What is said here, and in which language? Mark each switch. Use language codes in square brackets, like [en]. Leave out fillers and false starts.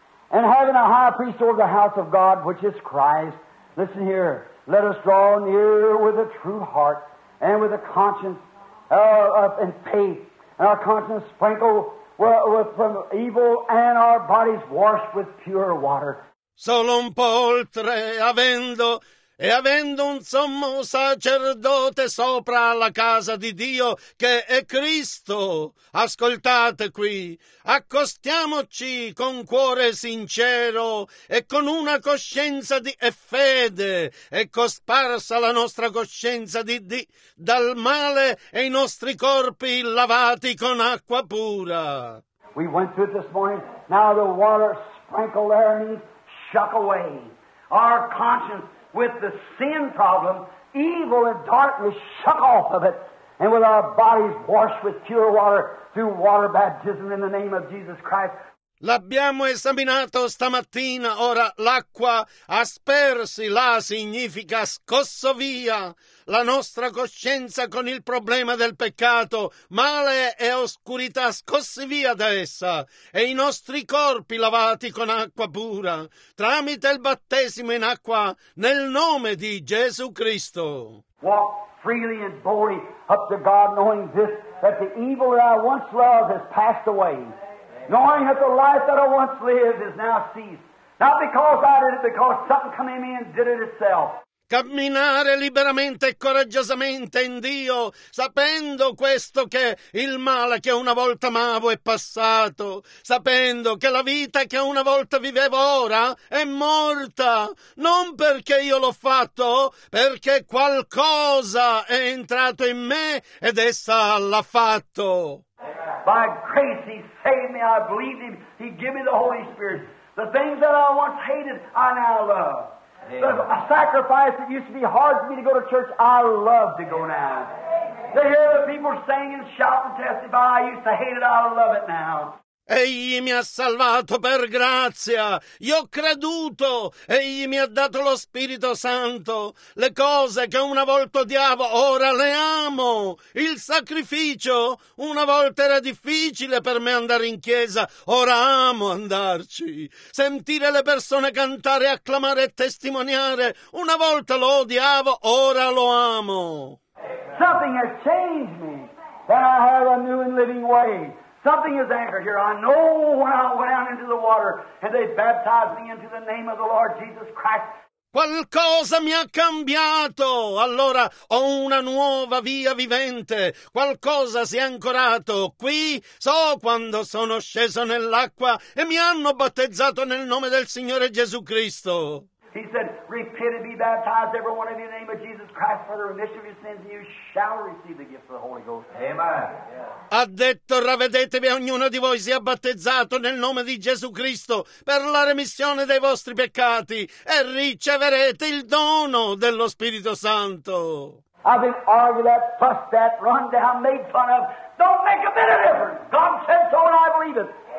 [en] Having a high priest over the house of God, which is Christ, listen here, let us draw near with a true heart and with a conscience and faith, and our conscience sprinkled from evil and our bodies washed with pure water. [it] Solo un po' oltre, avendo un sommo sacerdote sopra la casa di Dio, che è Cristo, ascoltate qui, accostiamoci con cuore sincero e con una coscienza e fede, e cosparsa la nostra coscienza dal male e i nostri corpi lavati con acqua pura. [en] We went through this morning, now the water sprinkled there and shook away our conscience. With the sin problem, evil and darkness shook off of it, and with our bodies washed with pure water through water baptism in the name of Jesus Christ. [it] L'abbiamo esaminato stamattina, ora l'acqua aspersi là significa scosso via la nostra coscienza con il problema del peccato, male e oscurità scossi via da essa, e i nostri corpi lavati con acqua pura, tramite il battesimo in acqua nel nome di Gesù Cristo. [en] Walk freely and boldly up to God, knowing this, that the evil that I once loved has passed away. Knowing that the life that I once lived is now ceased. Not because I did it, because something came in and did it itself. [it] camminare liberamente e coraggiosamente in Dio, sapendo questo, che il male che una volta amavo è passato, sapendo che la vita che una volta vivevo ora è morta, non perché io l'ho fatto, perché qualcosa è entrato in me ed essa l'ha fatto. [en] By grace he saved me, I believed him, he gave me the Holy Spirit. The things that I once hated, I now love. Amen. The sacrifice that used to be hard for me to go to church, I love to go now. Amen. To hear the people sing and shout and testify, I used to hate it, I love it now. [it] Egli mi ha salvato per grazia, io ho creduto, egli mi ha dato lo Spirito Santo. Le cose che una volta odiavo, ora le amo. Il sacrificio, una volta era difficile per me andare in chiesa, ora amo andarci. Sentire le persone cantare, acclamare e testimoniare, una volta lo odiavo, ora lo amo. [en] Something has changed me, that I have a new and living way. Something is anchored here. I know when I went out into the water and they baptized me into the name of the Lord Jesus Christ. [it] Qualcosa mi ha cambiato, allora ho una nuova via vivente, qualcosa si è ancorato qui, so quando sono sceso nell'acqua e mi hanno battezzato nel nome del Signore Gesù Cristo. [en] He said, repent and be baptized, every one of you in the name of Jesus Christ, for the remission of your sins, and you shall receive the gift of the Holy Ghost. Amen. [it] Ha detto, ravvedetevi, ognuno di voi sia battezzato nel nome di Gesù Cristo per la remissione dei vostri peccati e riceverete il dono dello Spirito Santo. [en] I've been argued that, fussed that, run down, made fun of. Don't make a bit of difference. God said so, and I believe it.